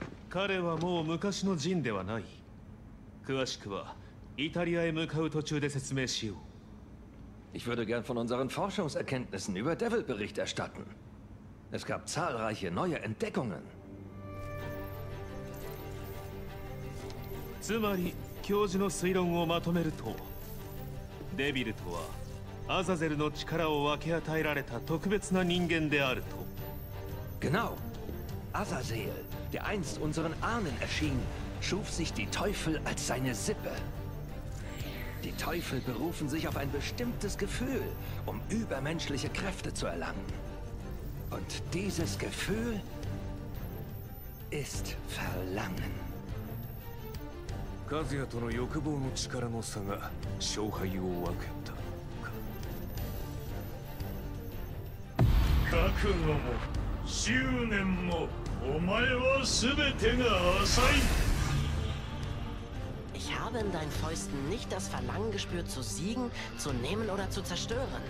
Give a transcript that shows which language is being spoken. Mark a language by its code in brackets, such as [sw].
[ja] 彼はもう昔のジンではない。詳しくはイタリアへ向かう途中で説明しよう。 [de] Ich würde gern von unseren Forschungserkenntnissen über Devil Bericht erstatten. Es gab zahlreiche neue Entdeckungen. [ja] つまり、教授の推論をまとめると、デビルとはアザゼルの力を分け与えられた特別な人間であると。 [de] Genau. Azazel, der einst unseren Ahnen erschien, schuf sich die Teufel als seine Sippe. Die Teufel berufen sich auf ein bestimmtes Gefühl, um übermenschliche Kräfte zu erlangen. Und dieses Gefühl ist Verlangen. [ja] Kazuya とのの欲望の力の差が勝敗を分けたのか。覚悟も執念もお前は全てが浅い。 [de] Ich habe in deinen Fäusten nicht das Verlangen gespürt, zu siegen, zu nehmen oder zu zerstören.